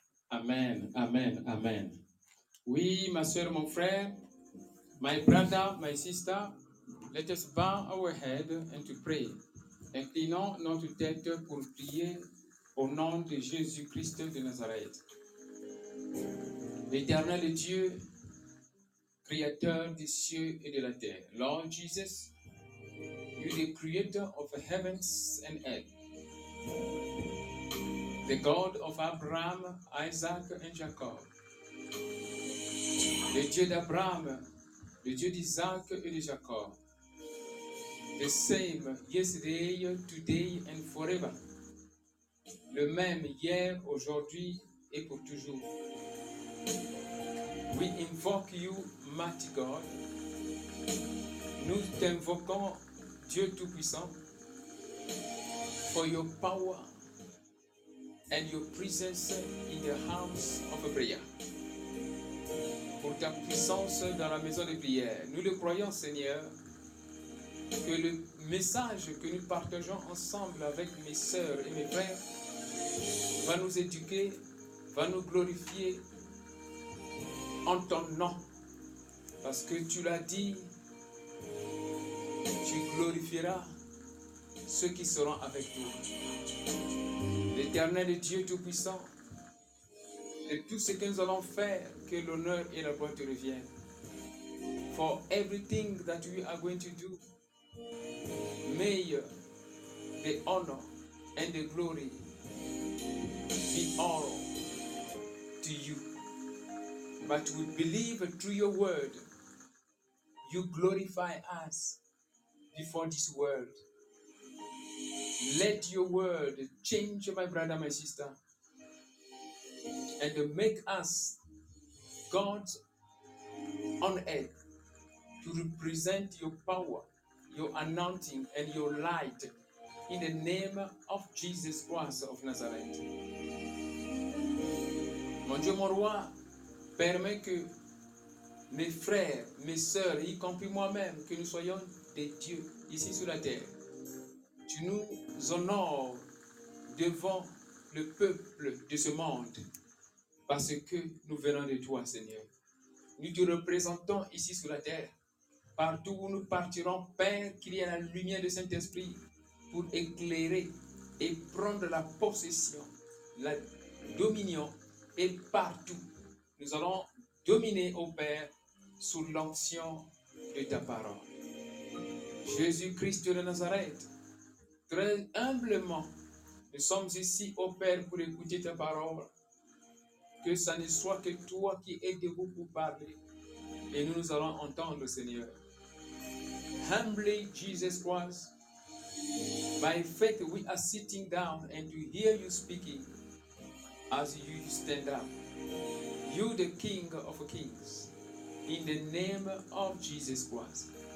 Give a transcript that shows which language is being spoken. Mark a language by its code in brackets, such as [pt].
[en] Amen, amen, amen. [fr] Oui, ma soeur, mon frère, [en] my brother, my sister, let us bow our head and to pray. [fr] Inclinons notre tête pour prier au nom de Jésus-Christ de Nazareth. L'éternel Dieu, Creator des cieux et de la terre. [en] Lord Jesus, you are the creator of the heavens and earth. The God of Abraham, Isaac and Jacob. [fr] Le Dieu d'Abraham, le Dieu d'Isaac et de Jacob. [en] The same yesterday, today and forever. [fr] Le même hier, aujourd'hui et pour toujours. [en] We invoke you, mighty God. [fr] Nous t'invoquons, Dieu Tout-Puissant, [en] for your power and your presence in the house of a prayer. [fr] Pour ta puissance dans la maison de prière. Nous le croyons, Seigneur, que le message que nous partageons ensemble avec mes sœurs et mes frères va nous éduquer, va nous glorifier en ton nom, parce que tu l'as dit, tu glorifieras ceux qui seront avec toi. L'éternel Dieu Tout-Puissant, de tout ce que nous allons faire, que l'honneur et la gloire te reviennent. [en] For everything that we are going to do, may the honor and the glory be all to you. But we believe through your word, you glorify us before this world. Let your word change my brother, my sister, and make us God on earth to represent your power, your anointing, and your light in the name of Jesus Christ of Nazareth. [fr] Mon Dieu, mon roi, permet que mes frères, mes sœurs, y compris moi-même, que nous soyons des dieux ici sur la terre. Tu nous honores devant le peuple de ce monde parce que nous venons de toi, Seigneur. Nous te représentons ici sur la terre. Partout où nous partirons, Père, qu'il y ait la lumière du Saint-Esprit pour éclairer et prendre la possession, la dominion et partout. Nous allons dominer, ô Père, sous l'onction de ta parole. Jésus-Christ de Nazareth, très humblement, nous sommes ici, ô Père, pour écouter ta parole. Que ce ne soit que toi qui es debout pour parler. Et nous allons entendre, Seigneur. [en] Humbly, Jesus Christ, by faith we are sitting down and we hear you speaking as you stand up. You, the King of Kings, in the name of Jesus Christ.